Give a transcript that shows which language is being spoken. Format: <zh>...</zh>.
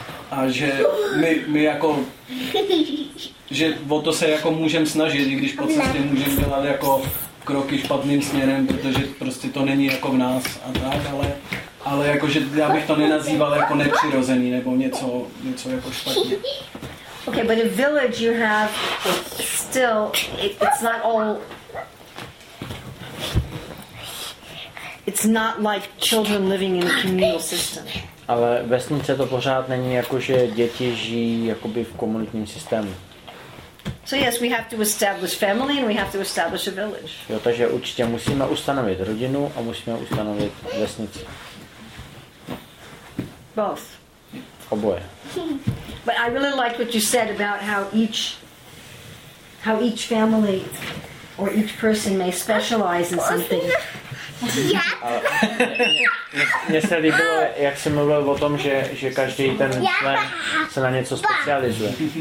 <cs>A že my jako, že o to se jako můžeme snažit, i když po cestě můžeme dělat jako kroky špatným směrem, protože prostě to není jako v nás a tak, ale jakože já bych to nenazýval jako nepřirozený nebo něco jako špatně.</cs> <en>Okay, but in village you have still it's not all. It's not like children living in a communal system.</en> <cs>Ale vesnice to pořád není jako že děti žijí jakoby v komunitním systému.</cs> <en>So yes, we have to establish family and we have to establish a village.</en> <cs>Jo, takže určitě musíme ustanovit rodinu a musíme ustanovit vesnici.</cs> <en>Both.</en> <cs>Oboje.</cs> <en>But I really like what you said about how each family or each person may specialize in something.</en> <cs>Mně se líbilo, jak jsi mluvil o tom, že každý ten člen se na něco specializuje.</cs>